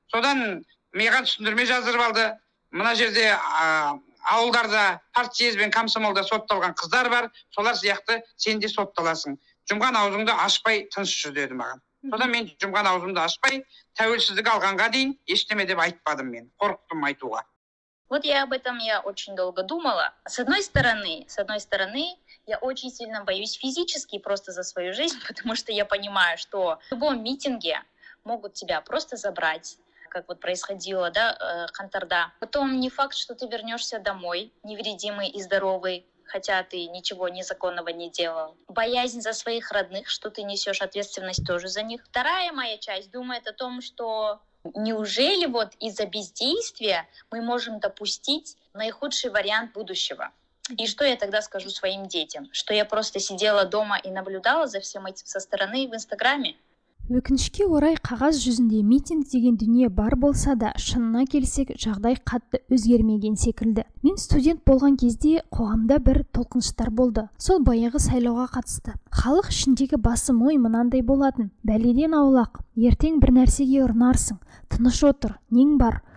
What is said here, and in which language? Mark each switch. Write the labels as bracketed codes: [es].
[kk] Содан маған түсіндірме жаздырып алды. Мына жерде ауылдарда партияз бен комсомолда сотталған қыздар бар. Солар сияқты сен де сотталасың. Жұмған аузымды ашпай тыныш жүр деді маған. Содан мен жұмған аузымды ашпай тәуелсіздік алғанға дейін ештеме деп айтпадым мен. Қорықтым айтуға. [ru] Вот я об этом я очень долго думала. С одной стороны, я очень сильно боюсь физически просто за свою жизнь, потому что я понимаю, что в любом митинге могут тебя просто забрать. Как вот происходило, да, Қаңтарда. Потом не факт, что ты вернёшься домой невредимый и здоровый. Хотя ты ничего незаконного не делал. Боязнь за своих родных, что ты несешь ответственность тоже за них. Вторая моя часть думает о том, что неужели вот из-за бездействия мы можем допустить наихудший вариант будущего? И что я тогда скажу своим детям? Что я просто сидела дома и наблюдала за всем этим со стороны в Инстаграме? [kk] Өкінішке орай, қағаз жүзінде митинг деген дүние бар болса да, шынына келсек, жағдай қатты өзгермеген секілді. Мен студент болған кезде қоғамда бір толқыныстар болды. Сол баяғы сайлауға қатысты. Халық ішіндегі басым ой мынандай болатын. Бәледен аулақ, ертең бір нәрсеге ұрынарсың, тыныш отыр, нең бар.